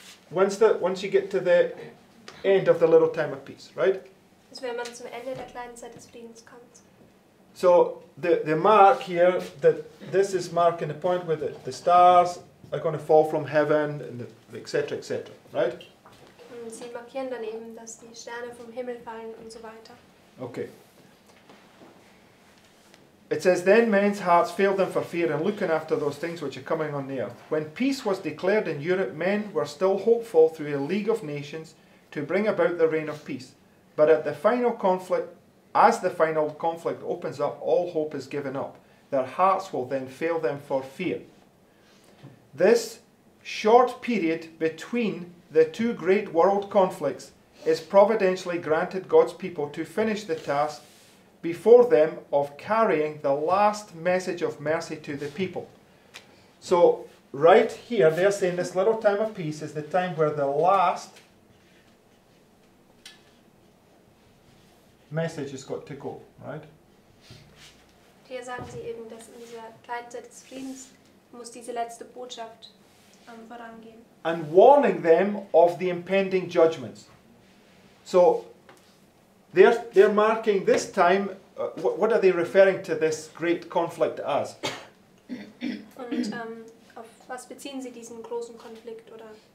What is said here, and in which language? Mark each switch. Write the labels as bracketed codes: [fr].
[en] Once you get to the end of the little time of peace, right? [de] Also wenn man zum Ende der kleinen Zeit des Friedens kommt. [en] So the mark here, that this is marking the point where the stars are going to fall from heaven and etc. right? [de] Und sie markieren dann eben, dass die Sterne vom Himmel fallen und so weiter. [en] Okay. It says, then men's hearts failed them for fear and looking after those things which are coming on the earth. When peace was declared in Europe, men were still hopeful through a League of Nations to bring about the reign of peace. But at the final conflict, as the final conflict opens up, all hope is given up. Their hearts will then fail them for fear. This short period between the two great world conflicts is providentially granted God's people to finish the task before them of carrying the last message of mercy to the people. So right here, they're saying this little time of peace is the time where the last message has got to go, right? [de] Hier sagen sie eben, dass in dieser Kleinzeit des Friedens muss diese letzte Botschaft vorangehen. [en] And warning them of the impending judgments. So they're marking this time. What are they referring to this great conflict as? [de] Und auf was beziehen sie diesen großen Konflikt, oder?